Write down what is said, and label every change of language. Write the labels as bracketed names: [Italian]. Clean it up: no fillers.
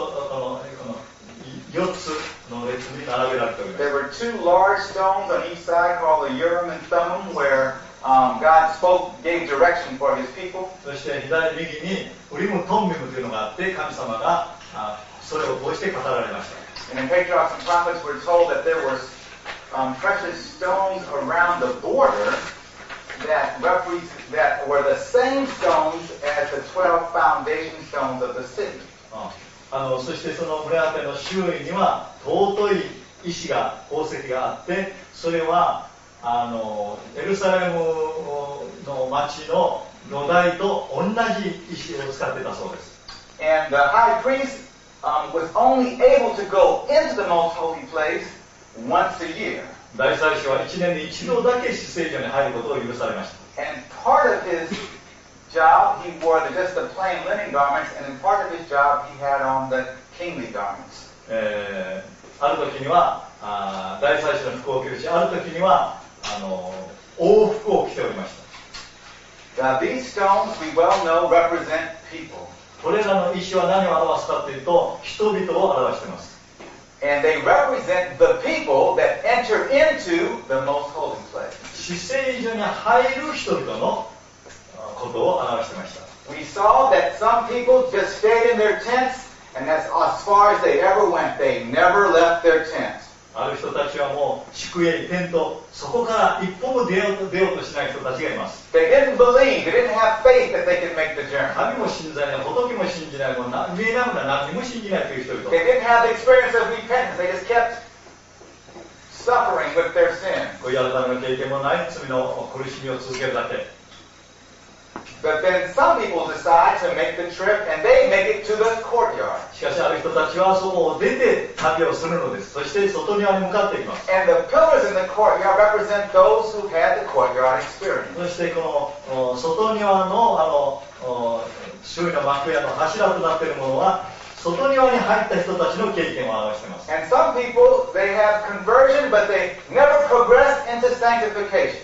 [Japanese] 3つと4つの列に並べられております。 [English] There were two large stones on each side called the Urim and Thummim, where God spoke, gave direction for his people. [Japanese] そして左右にウリムトンミムというのがあって、神様がそれをこうして語られました。 [English] And in Patriarchs and Prophets, we're told that there were precious stones around the border that were the same stones as the 12 foundation stones of the city. [Japanese] そしてその胸当ての周囲には尊い石が、宝石があって、それはエルサレムの町の土台と同じ石を使ってたそうです。 [English] And the high priestwas only able to go into the most holy place once a year. [Japanese] 大祭司は一年に一度だけ至聖所に入ることを許されました。 [English] And part of his job, he wore just the plain linen garments, and part of his job, he had on the kingly garments. [Japanese] ある時には大祭司の服を着るし、ある時には王服を着ておりました。 [English] Now, these stones, we well know, represent people. [Japanese] これらの石は何を表すかというと、人々を表しています。 [English] And they represent the people that enter into the most holy place. [Japanese] 至聖所に入る人々のことを表していました。 [English] We saw that some people just stayed in their tents, and that's as far as they ever went. They never left their tents. [Japanese] ある人たちはもう宿営、テント、そこから一歩も出ようとしない人たちがいます。 [English] They didn't believe, they didn't have faith that they could make the journey. [Japanese] 神も信じない、仏も信じない、もう見えなくなる、何も信じないという人々。 [English] They didn't have the experience of repentance, they just kept suffering with their sin. [Japanese] 悔い改めの経験もない、罪の苦しみを続けるだけ。 [English] The But then some people decide to make the trip and they make it to the courtyard. [Japanese] しかしある人たちはそこを出て旅をするのです。そして外庭に向かっていきます。 [English] And the pillars in the courtyard represent those who had the courtyard experience. [Japanese] そしてこの外庭の周囲の幕屋の柱となっているものは外庭に入った人たちの経験を表しています。 [English] And some people, they have conversion, but they never progress into sanctification.